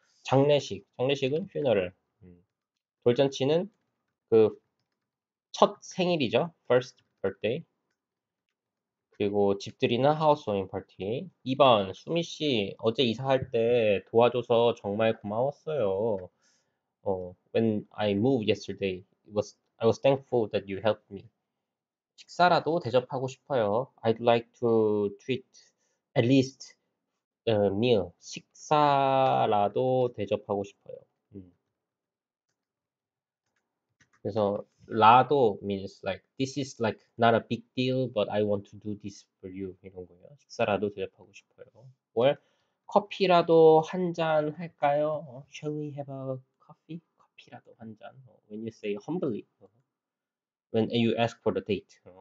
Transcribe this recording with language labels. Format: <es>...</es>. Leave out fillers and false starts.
<ko>장례식은 funeral. 돌잔치는 그첫 생일이죠.</ko> <en>First birthday.</en> <ko>그리고 집들이는 하우스워밍 파티. 2번, 수미 씨, 어제 이사할 때 도와줘서 정말 고마웠어요.</ko> <en>When I moved yesterday, I was thankful that you helped me.</en> <ko>식사라도 대접하고 싶어요.</ko> <en>I'd like to treat at least a meal.</en> <ko>식사라도 대접하고 싶어요. 그래서 라도</ko> <en>means like this is like not a big deal, but I want to do this for you</en> <ko>이런 거예요. 식사라도 대접하고 싶어요. Or 커피라도 한잔 할까요?</ko> <en>Shall we have a coffee?</en> <ko>커피라도 한 잔.</ko> <en>When you say humbly, when you ask for the date.</en>